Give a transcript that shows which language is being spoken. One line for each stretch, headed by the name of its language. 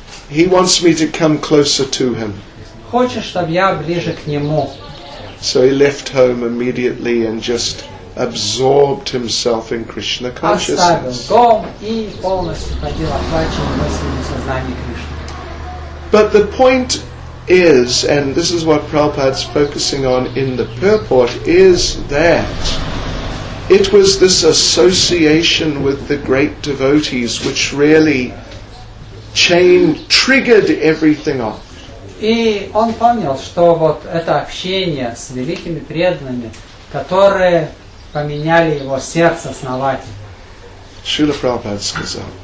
English: He wants me to come closer to him.
Russian: Хочет, чтобы я ближе к нему.
English: So he left home immediately and just absorbed himself in Krishna consciousness.
Russian: Оставил дом и полностью ходил охваченный мыслями сознания Кришны.
English: But the point is, and this is what Prabhupada's focusing on in the purport, is that it was this association with the great devotees which really triggered everything off.
Russian: И он понял, что вот это общение с великими преданными, которые поменяли его сердце основательно. Шрила Прабхупада сказал.